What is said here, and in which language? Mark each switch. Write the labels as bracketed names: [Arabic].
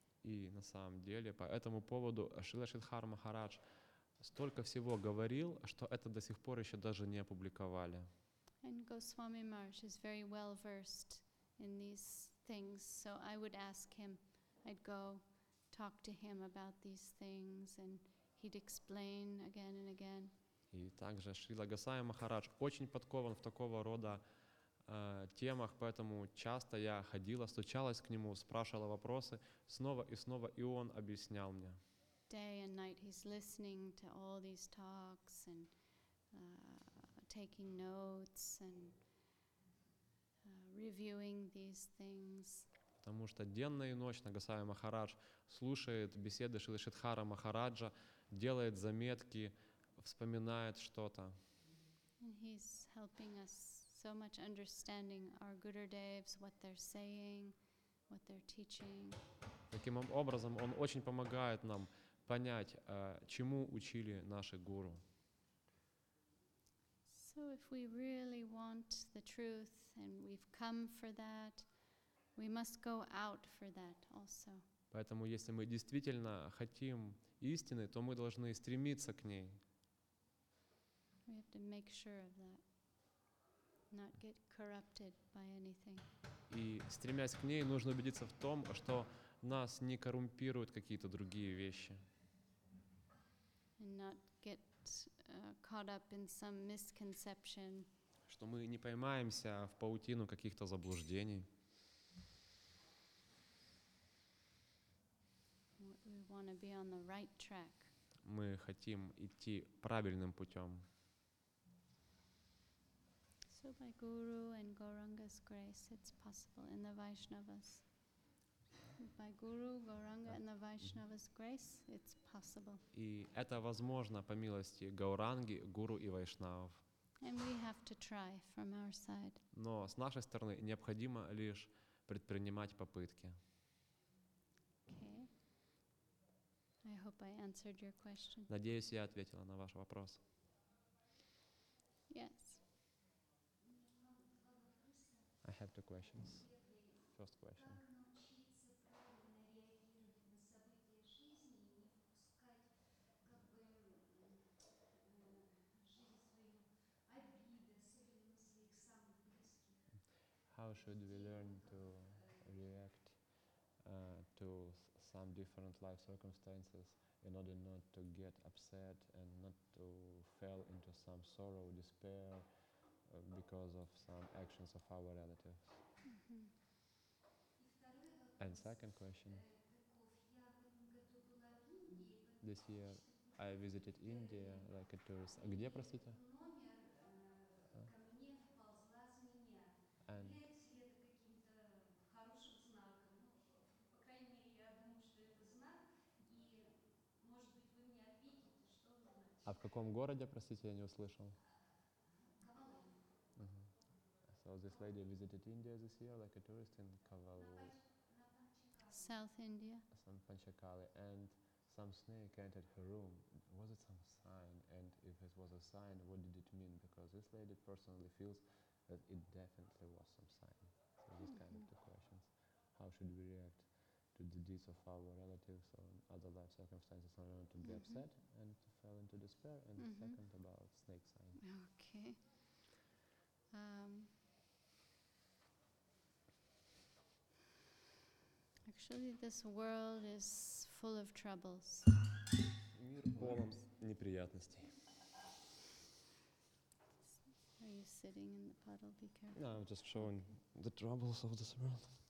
[Russian] И на самом деле по этому поводу Шрила Шридхар Махарадж столько всего говорил, что это до сих пор еще даже не опубликовали. [English] And Goswami Maharaj is very well versed in these things, so I would ask him, I'd go talk to him about these things, and he'd explain again and again. [Russian] И также Шрила Госвами Махарадж очень подкован в такого рода темах, поэтому часто я ходила, стучалась к нему, спрашивала вопросы, снова и снова, и он объяснял мне. [English] Day and night he's listening to all these talks and taking notes and reviewing these things. [Russian] Потому что денно и ночно Госвами Махарадж слушает беседы Шрилы Шридхара Махараджа, делает заметки, вспоминает что-то. [English] And he's helping us so much understanding our Gurudevs, what they're saying, what they're teaching. [Russian] Таким образом, он очень помогает нам понять, чему учили наши гуру. [English] So if we really want the truth and we've come for that, we must go out for that also. [Russian] Поэтому, если мы действительно хотим истины, то мы должны стремиться к ней. [English] We have to make sure of that. Not get corrupted by anything. [Russian] И стремясь к ней, нужно убедиться в том, что нас не коррумпируют какие-то другие вещи. [English] And not get caught up in some misconception. [Russian] Что мы не поймаемся в паутину каких-то заблуждений. [English] We want to be on the right track. [Russian] Мы хотим идти правильным путем. [English] So by Guru and Gauranga's grace, it's possible in the Vaishnavas. By Guru, Gauranga and the Vaishnavas' grace, it's possible. [Russian] И это возможно по милости Гауранги, Гуру и Вайшнавов. [English] And we have to try from our side. [Russian] Но с нашей стороны необходимо лишь предпринимать попытки. [English] Okay. I hope I answered your question. [Russian] Надеюсь, я ответила на ваш вопрос. [English] Yes. I have two questions. First question. How should we learn to react to some different life circumstances in order not to get upset and not to fall into some sorrow, despair, because of some actions of our relatives? Mm-hmm. And second question. This year I visited India like a tourist. [Russian] Где простите? And а в каком городе, простите, я не услышал? [English] So this lady visited India this year, like a tourist in Kavalu. South India. Some Panchakali, and some snake entered her room. Was it some sign? And if it was a sign, what did it mean? Because this lady personally feels that it definitely was some sign. So these kind of two questions. How should we react to the deeds of our relatives or other life circumstances in order to be upset and to fall into despair? And the second about snake sign. Okay. Actually, this world is full of troubles. [Russian] Мир полон неприятностей. [English] Are you sitting in the puddle? Be careful. No, I'm just showing the troubles of this world.